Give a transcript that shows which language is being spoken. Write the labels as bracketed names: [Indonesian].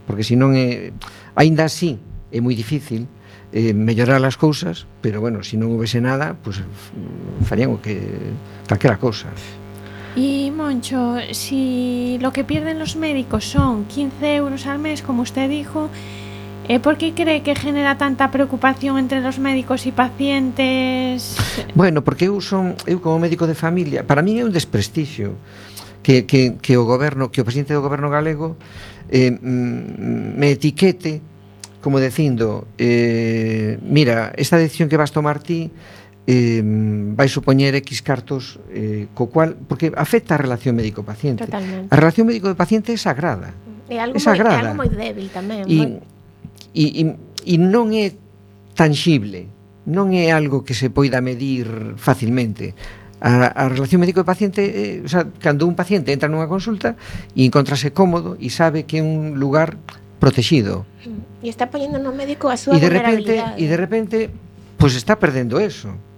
[Galician] Porque se non é, aínda así, é moi difícil mellorar as cousas, pero bueno, se non houvese nada, pues farían o que calquera cousa. [Spanish] E Moncho, si lo que pierden los médicos son 15 euros al mes, como usted dijo, ¿por qué cree que genera tanta preocupación entre los médicos y pacientes? [Galician] Bueno, porque eu como médico de familia, para mí é un desprestigio que o goberno, que o presidente do goberno galego me etiquete como dicindo, mira, esta decisión que vas tomar ti vai supoñer X cartos co cual, porque afecta a relación médico-paciente. Totalmente. A relación médico-paciente é sagrada. É algo moi débil tamén. E non é tangible, non é algo que se poida medir facilmente. A relación médico-paciente, o sea, cando un paciente entra nunha consulta e encontrase cómodo e sabe que é un lugar protexido. E está poñendo no médico a súa vulnerabilidade. E de repente, pues está perdendo eso.